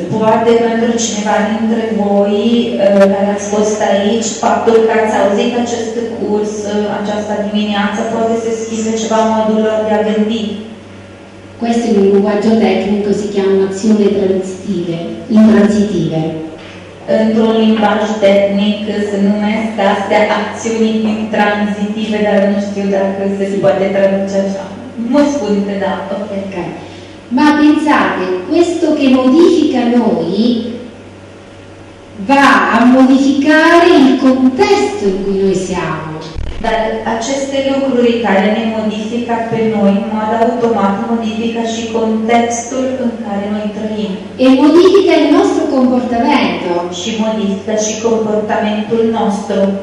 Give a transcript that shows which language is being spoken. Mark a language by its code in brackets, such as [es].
[ro] Poate pentru cineva dintre voi care ați fost aici, faptul că ați auzit acest curs această dimineață poate să schimbe ceva modul lor de a gândi. [it] Questo in un linguaggio tecnico si chiama azione transitive, intransitive. [ro] Într-un limbaj tehnic se numesc astea acțiuni intransitive, dar nu știu dacă se poate traduce așa. Mă spune, da, ok. [it] Ma pensate, questo che modifica noi va a modificare il contesto in cui noi siamo. [ro] Dar aceste lucruri care ne modifică pe noi, în mod automat, modifică și contextul în care noi trăim. [it] E [ro] modifică [it] il nostro comportamento. [ro] Și modifică și comportamentul nostru.